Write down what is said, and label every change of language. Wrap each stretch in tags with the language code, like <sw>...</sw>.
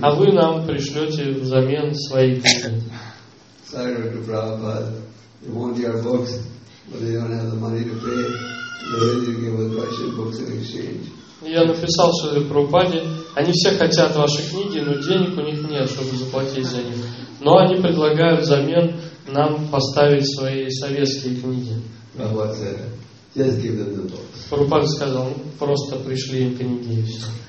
<ru>А вы нам пришлете взамен свои книги.</ru> <en>Sorry, Dr. Prabhupada, they want your books, but they don't have the money to pay. They will give us Russian books in exchange.</en> <ru>Я написал Шриле Прабхупаде, они все хотят ваши книги, но денег у них нет, чтобы заплатить за них. Но они предлагают взамен нам поставить свои советские книги.</ru> <en>Prabhupada said, just give them the books.</en> <ru>Прабхупада сказал, просто пришли им книги и все.</ru>